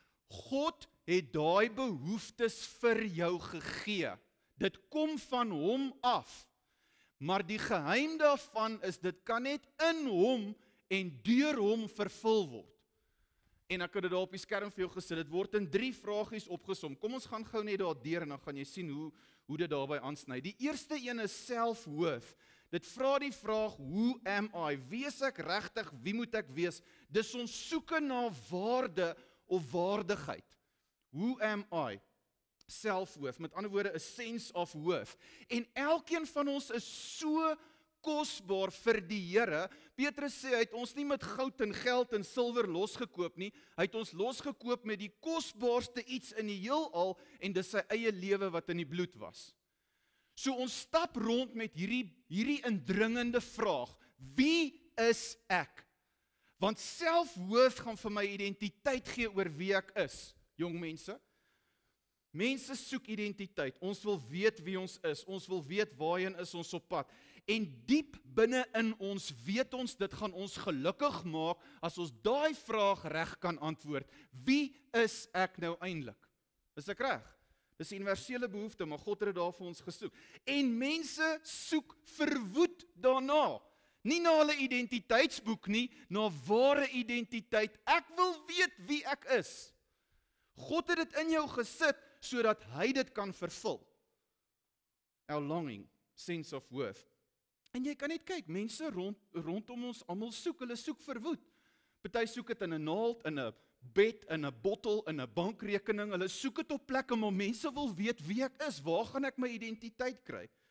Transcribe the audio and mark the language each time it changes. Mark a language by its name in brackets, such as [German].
[Afrikaans] God het daai behoeftes vir jou gegee. Dit kom van hom af. Maar die geheim daarvan is dit kan net in hom en deur hom vervul word. En ek het dit daar op die skerm vir jou gesê, dit word in drie vragies opgesom. Kom ons gaan gou net daar deur en dan gaan jy sien hoe dit daarby aansny. Die eerste een is selfhoof. Dit vra die vraag, [English] who am I? [Afrikaans] Wees ek regtig? Wie moet ek wees? Dis ons soeke na waarde of waardigheid. [English] Who am I? [Afrikaans] Selfhoof, met ander woorde, [English] a sense of worth. [Afrikaans] En elkeen van ons is so kosbaar vir die Here. Petrus sê, hy het ons nie met goud en geld en silwer losgekoop nie, hy het ons losgekoop met die kosbaarste iets in die heelal, en dis sy eie lewe wat in die bloed was. So ons stap rond met hierdie indringende vraag, wie is ek? Want selfhoof gaan vir my identiteit gee oor wie ek is, jong mense. Mense soek identiteit, ons wil weet wie ons wil weet waarheen is ons op pad. En diep binne in ons weet ons, dit gaan ons gelukkig maak, as ons daai vraag reg kan antwoord. Wie is ek nou eindelijk? Is ek reg? Dis 'n universele behoefte, maar God het daar vir ons gesoek. En mense soek verwoed daarna. Nie na hulle identiteitsboek nie, na ware identiteit. Ek wil weet wie ek is. God het dit in jou gesit, sodat hy dit kan vervul. [English] Our longing, sense of worth. [Afrikaans] En jy kan net kyk, mense rondom ons almal soek, hulle soek verwoed. Party soek het in 'n naald, in 'n bed, in 'n bottel, in 'n bankrekening, hulle soek het op plekke, maar mense wil weet wie ek is, waar gaan ek my identiteit kry?